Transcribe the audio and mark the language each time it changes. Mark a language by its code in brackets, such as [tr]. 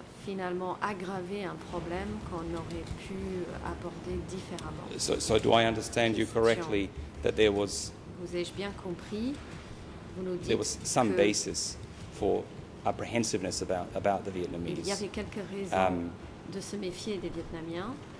[fr] Finalement aggraver un problème qu'on aurait pu aborder différemment. [en] So do I understand you correctly that there was, [fr] vous ai-je bien compris, vous nous dites [en] there was some basis for apprehensiveness about the Vietnamese. [fr] Il y avait quelques raisons de se méfier des Vietnamiens.